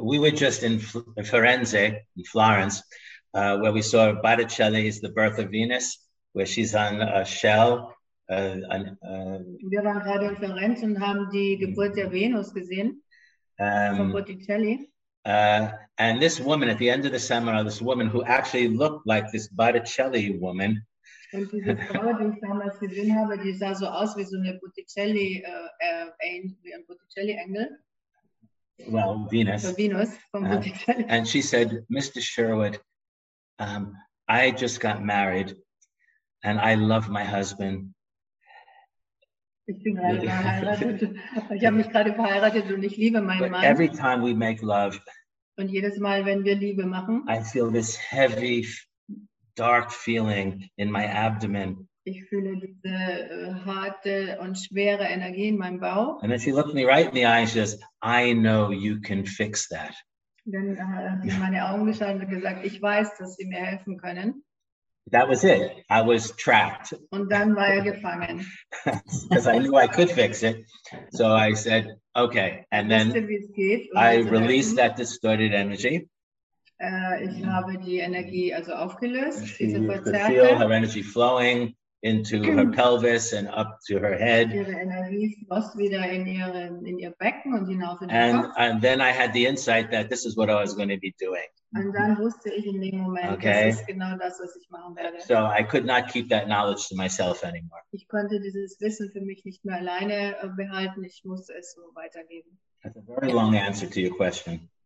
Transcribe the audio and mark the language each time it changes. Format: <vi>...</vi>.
<en>We were just in Firenze, in Florence, where we saw Botticelli's The Birth of Venus, where she's on a shell.</en> <de>Wir waren gerade in Florenz und haben die Geburt der Venus gesehen, von Botticelli.</de> <en>And this woman, at the end of the seminar, this woman who actually looked like this Botticelli woman.</en> <de>Und diese Frau, die ich damals gesehen habe, die sah so aus wie so eine Botticelli, wie ein Botticelli-Engel.</de> <en>Well, Venus.</en> <de>So Venus von Botticelli.</de> <en>And she said, Mr. Sherwood, I just got married and I love my husband.</en> <de>Ich bin gerade verheiratet. Ich habe mich gerade verheiratet und ich liebe meinen</de> <en>But</en> <de>Mann.</de> <en>Every time we make love,</en> <de>und jedes Mal, wenn wir Liebe machen,</de> <en>I feel this heavy, dark feeling in my abdomen.</en> <de>Ich fühle diese harte und schwere Energie in meinem Bauch.</de> <en>And then she looked me right in the eyes and says, I know you can fix that.</en> <de>Dann hat sie meine Augen geschaut und gesagt, ich weiß, dass sie mir helfen können.</de> <en>That was it. I was trapped.</en> <de>Und dann war er gefangen.</de> <en>Because I knew I could fix it. So I said, okay. And then I released that distorted energy.</en> <de>Ich habe die Energie also aufgelöst.</de> <en>She could feel her energy flowing into her pelvis and up to her head.</en> <de>Ihre Energie floss wieder in ihr Becken und hinauf in den Kopf.</de> <en>And then I had the insight that this is what I was going to be doing.</en> <de>Und dann wusste ich in dem Moment, okay, das ist genau das, was ich machen werde.</de> <en>So I could not keep that knowledge to myself anymore.</en> <de>Ich konnte dieses Wissen für mich nicht mehr alleine behalten. Ich musste es so weitergeben.</de> <en>That's a very long answer to your question.</en>